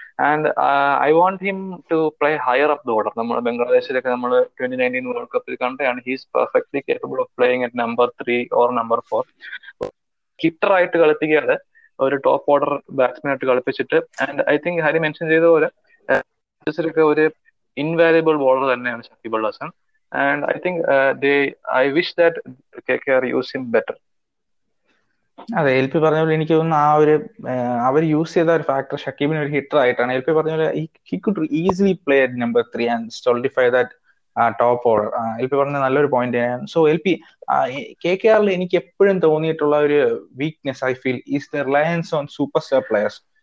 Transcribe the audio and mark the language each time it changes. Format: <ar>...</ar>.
<en>And I want him to play higher up the order.</en> <ml>നമ്മൾ ബംഗ്ലാദേശിലൊക്കെ നമ്മൾ 2019 world കപ്പിൽ കണ്ടാണ്</ml> <en>He's perfectly capable of playing at number 3 or number 4.</en> <ml>Hitter ആയിട്ട് കളിപ്പിക്കാതെ ഒരു top order batsman ആയിട്ട് കളിപ്പിച്ചിട്ട്,</ml> <en>and I think</en> <ml>Hari mention ചെയ്ത പോലെ മാച്ചസിലൊക്കെ ഒരു ഇൻവാലുബിൾ ബോളർ തന്നെയാണ് ഷക്കീബ് ഉൽ Hasan.</ml> <en>And I think they, I wish that KKR use him better.</en> <ml>അതെ, എൽ പി പറഞ്ഞ പോലെ എനിക്ക് തോന്നുന്നു ആ ഒരു അവർ യൂസ് ചെയ്ത ഒരു ഫാക്ടർ ഷക്കീബിന് ഒരു ഹിറ്റർ ആയിട്ടാണ്.</ml> <en>L P</en> <ml>പറഞ്ഞ പോലെ</ml> <en>He could easily play at number 3 and solidify that top order.</en> <ml>L P പറഞ്ഞ നല്ലൊരു പോയിന്റ് തന്നെയാണ്. So L P, K K ആറിൽ എനിക്ക് എപ്പോഴും തോന്നിയിട്ടുള്ള ഒരു weakness</ml> <en>I feel is the reliance on super star players.</en>